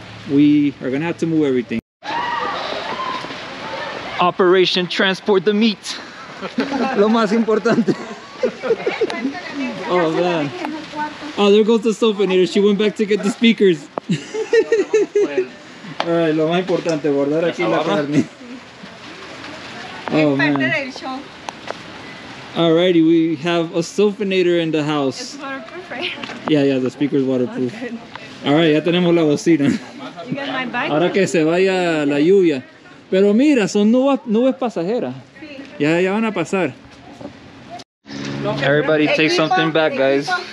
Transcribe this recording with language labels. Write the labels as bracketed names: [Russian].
[English] We are going to have to move everything. Operation Transport the Meat. [Spanish] Lo más importante. [English] Oh, man. Oh, there goes the sofa eater. She went back to get the speakers. All right, [Spanish] lo más importante, guardar aquí la carne. [English] Oh, man. All righty, we have a sofa eater in the house. It's waterproof, right? Yeah, yeah, the speaker's waterproof. All right, [Spanish] ya tenemos la bocina. Ahora que se vaya la lluvia. Pero mira, son nubes pasajeras. Sí. Ya van a pasar. [English] Everybody take something back, guys.